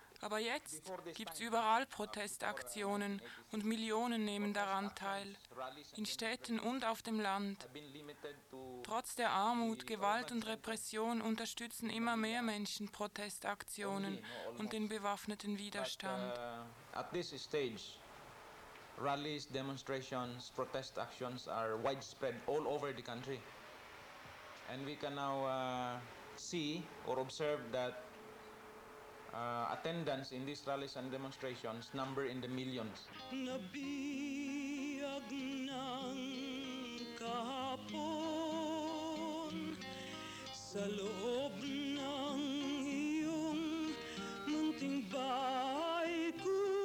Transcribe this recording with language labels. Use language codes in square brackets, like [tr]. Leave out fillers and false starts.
[de] Aber jetzt gibt es überall Protestaktionen und Millionen nehmen daran teil, in Städten und auf dem Land. Trotz der Armut, Gewalt und Repression unterstützen immer mehr Menschen Protestaktionen und den bewaffneten Widerstand. [en] At this stage, rallies, demonstrations, protest actions are widespread all over the country. And we can now see or observe that attendance in these rallies and demonstrations number in the millions. [tl] Nabiyag ng kahapon sa loob ng iyong munting bahay ko.